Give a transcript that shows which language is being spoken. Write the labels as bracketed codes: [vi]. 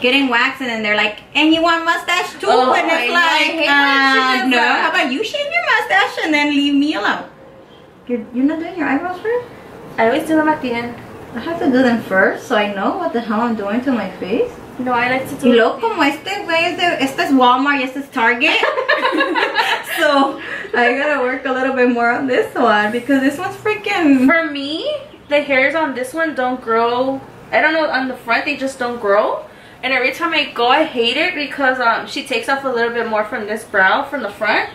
[en] Getting waxed, and then they're like, and you want mustache too? Oh, and it's like, no. How about you shave your mustache and then leave me alone? You're not doing your eyebrows first? I always do them at the end. I have to do them first so I know what the hell I'm doing to my face. No, I like to do... [es] Y luego como este, güey, este es Walmart y este es Target. [en] So... I gotta work a little bit more on this one because this one's freaking... For me, the hairs on this one don't grow. I don't know, on the front, they just don't grow. And every time I go, I hate it because she takes off a little bit more from this brow, from the front.